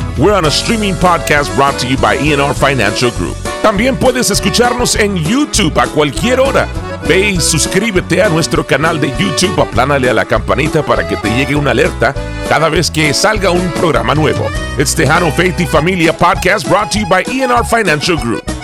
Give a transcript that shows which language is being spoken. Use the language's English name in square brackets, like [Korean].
[English] We're on a streaming podcast brought to you by ENR Financial Group. [Spanish] También puedes escucharnos en YouTube a cualquier hora. Ve y suscríbete a nuestro canal de YouTube, aplánale a la campanita para que te llegue una alerta cada vez que salga un programa nuevo. [English] It's Tejano Faith y Familia Podcast brought to you by E&R Financial Group.